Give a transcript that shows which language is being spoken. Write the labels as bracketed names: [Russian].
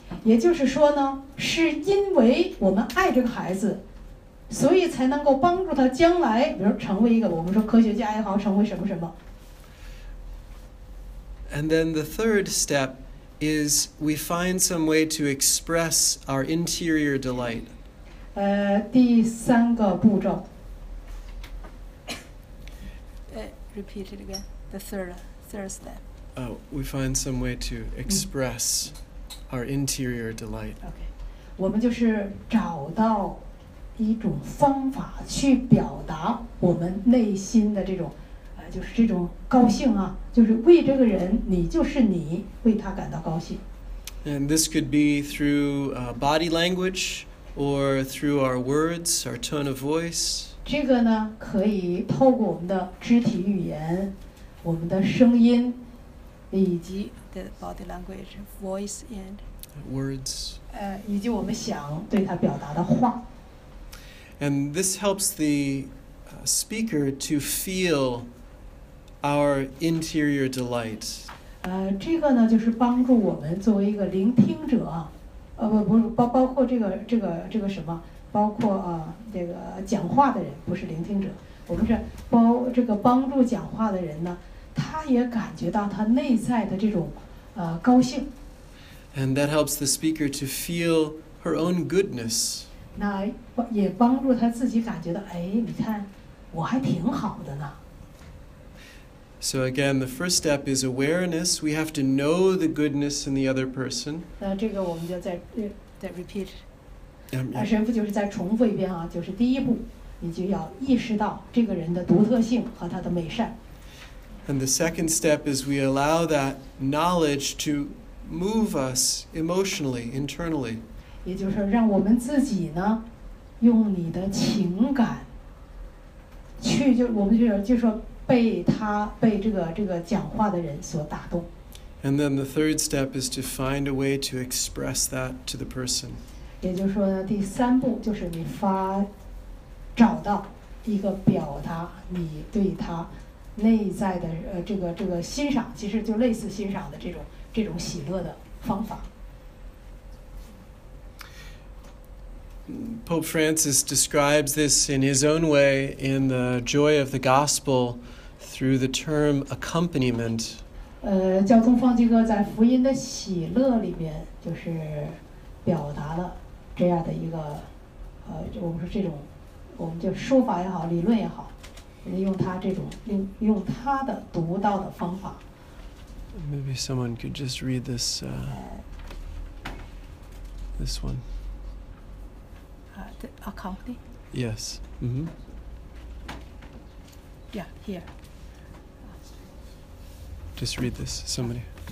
[Chinese] 也就是说呢，是因为我们爱这个孩子，所以才能够帮助他将来，比如成为一个我们说科学家也好，成为什么什么。 [English] And then the third step is we find some way to express our interior delight. [Chinese] 第三个步骤。 [English] Repeat it again. The third step. Oh, we find some way to express our interior delight. Okay. [Chinese] 我们就是找到一种方法去表达我们内心的这种就是这种高兴啊，就是为这个人，你就是你，为他感到高兴。 [English] And this could be through body language, or through our words, our tone of voice. [Chinese] 这个呢，可以透过我们的肢体语言，我们的声音，以及 [English] the body language, voice and words. [Chinese] 以及我们想对他表达的话。 [English] And this helps the speaker to feel. Our interior delight. [Chinese] 这个呢，就是帮助我们作为一个聆听者，包括这个什么，包括这个讲话的人，不是聆听者。我们是这个帮助讲话的人呢，他也感觉到他内在的这种高兴。 [English] And that helps the speaker to feel her own goodness. [Chinese] 那也帮助他自己感觉到，哎，你看，我还挺好的呢。 [English] So again, the first step is awareness. We have to know the goodness in the other person. [Chinese] 那这个我们就再 [English] repeat. [Chinese] 神父就是再重复一遍啊，就是第一步，你就要意识到这个人的独特性和他的美善。 [English] And the second step is we allow that knowledge to move us emotionally, internally. [Chinese] 也就是让我们自己呢，用你的情感去就我们去就说。被这个讲话的人所打动。 [English] And then the third step is to find a way to express that to the person. [Chinese] 也就是说呢，第三步就是你找到一个表达你对他内在的这个欣赏，其实就类似欣赏的这种喜乐的方法。 [English] Pope Francis describes this in his own way in the joy of the gospel through the term accompaniment. [Chinese] 教宗方济各在福音的喜乐里面就是表达了这样的一个我们说这种我们就说法也好理论也好用他这种用他的独到的方法。 [English] Maybe someone could just read this, this one. The accompany? Yes. Mm-hmm. Yeah, here. Just read this, somebody.